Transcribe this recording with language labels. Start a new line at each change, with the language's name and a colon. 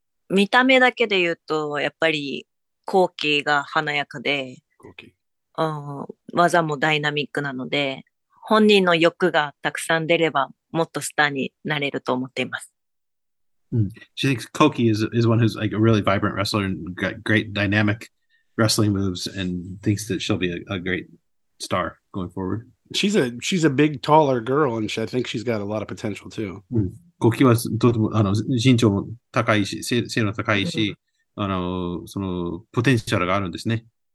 Japanese: 見た目だけで言うと、やっぱり後期が華やかで、技もダイナミックなので、本人の欲がたくさん出ればもっとスターになれると思っています。
English: She thinks Koki is one who's like a really vibrant wrestler and got great dynamic wrestling moves and thinks that she'll be a great star going forward. She's a big taller girl and I think she's got a lot of potential too.
Japanese: Koki はとてもあの身長も高いし背の高いし、あのそのポテンシャルがあるんですね。